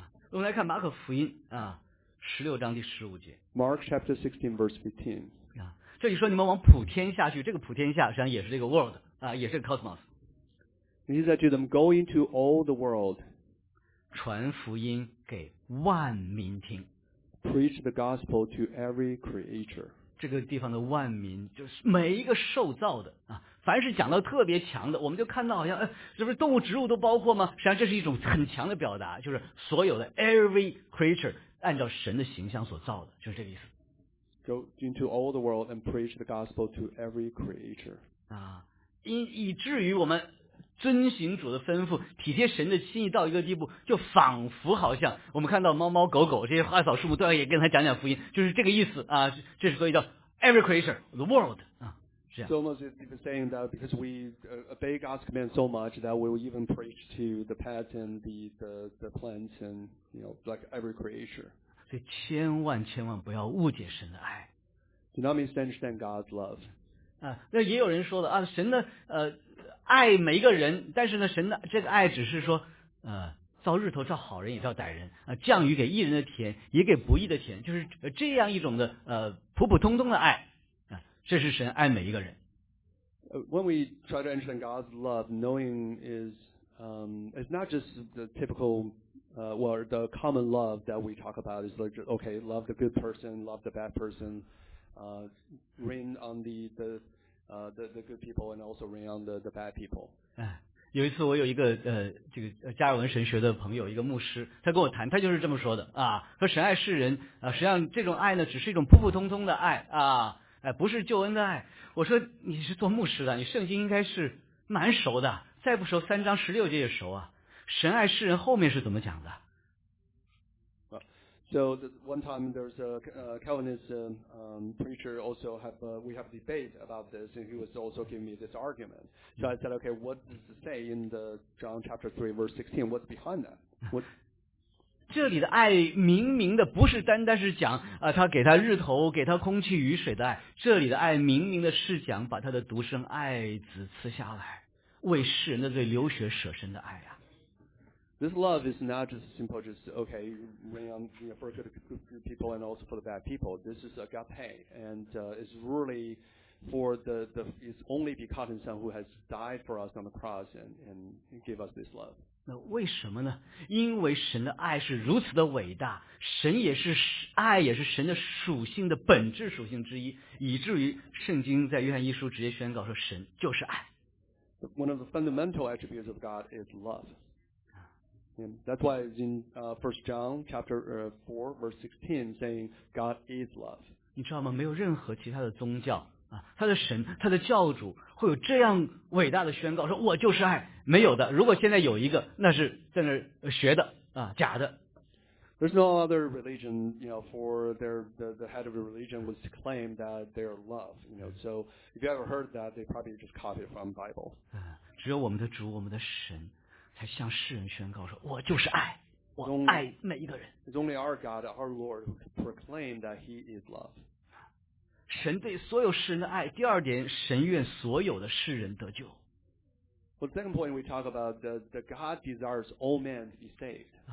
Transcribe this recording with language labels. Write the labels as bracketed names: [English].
[Chinese] 我们来看马可福音啊，十六章第十五节。 [English] Mark chapter 16 verse 15. [Chinese] 这里说你们往普天下去，这个普天下实际上也是这个 world 啊，也是 cosmos。 [English] And he said to them, go into all the world. [Chinese] 传福音给万民听。 [English] Preach the gospel to every creature. [Chinese] 这个地方的万民就是每一个受造的啊，凡是讲到特别强的，我们就看到好像，是不是动物植物都包括吗？实际上这是一种很强的表达，就是所有的 [English] every creature [Chinese] 按照神的形象所造的，就是这个意思。 [English] Go into all the world and preach the gospel to every creature. [Chinese] 啊，以至于我们遵行主的吩咐，体贴神的心意，到一个地步，就仿佛好像我们看到猫猫狗狗这些花草树木，都要也跟他讲讲福音，就是这个意思啊。这是所以叫 [English] every creature the world [Chinese] 啊，这样。 [English] So much is even saying that because we obey God's command so much that we will even preach to the pets and the plants and you know like every creature. [Chinese] 所以千万千万不要误解神的爱。 [English] Do not misunderstand God's love. [Chinese] 啊，那也有人说了啊，神的爱每一个人，但是呢，神的这个爱只是说，造日头，造好人也造歹人啊，降雨给义人的田，也给不义的田，就是这样一种的普普通通的爱啊，这是神爱每一个人。 [English] When we try to understand God's love, knowing is it's not just the typical well the common love that we talk about is like okay love the good person, love the bad person, rain on the good people and also rain on the bad people. [Chinese] 有一次我有一个这个加尔文神学的朋友，一个牧师，他跟我谈，他就是这么说的啊，说神爱世人啊，实际上这种爱呢，只是一种普普通通的爱啊，不是救恩的爱。我说你是做牧师的，你圣经应该是蛮熟的，再不熟三章十六节也熟啊。神爱世人后面是怎么讲的？ [English] So one time there's a Calvinist preacher also we have a debate about this and he was also giving me this argument. So I said, okay, what does it say in the John chapter 3 verse 16? What's behind that? What? [Chinese] 这里的爱明明的不是单单是讲他给他日头给他空气雨水的爱，这里的爱明明的是讲把他的独生爱子赐下来为世人的罪流血舍身的爱啊。 [English] This love is not just simple, just okay, for good people and also for the bad people. This is agape, and it's really for the it's only begotten Son who has died for us on the cross and gave us this love. [Chinese] 那为什么呢？因为神的爱是如此的伟大，神也是爱，也是神的属性的本质属性之一，以至于圣经在约翰一书直接宣告说，神就是爱。 [English] One of the fundamental attributes of God is love. That's why it's in 1 John chapter 4 verse 16 saying God is love. [Chinese] 你知道吗？没有任何其他的宗教啊，他的神，他的教主会有这样伟大的宣告，说我就是爱，没有的。如果现在有一个，那是在那学的啊，假的。 [English] There's no other religion, you know, for their, the head of the religion was to claim that they're love, you know. So if you ever heard that, they probably just copied it from the Bible. [Chinese] 只有我们的主，我们的神，才向世人宣告说，我就是爱，我爱每一个人。 [English] It's only our God, our Lord, who proclaimed that He is love. [Chinese] 神对所有世人的爱。第二点，神愿所有的世人得救。 [English] Well, the second point we talk about, the God desires all men to be saved.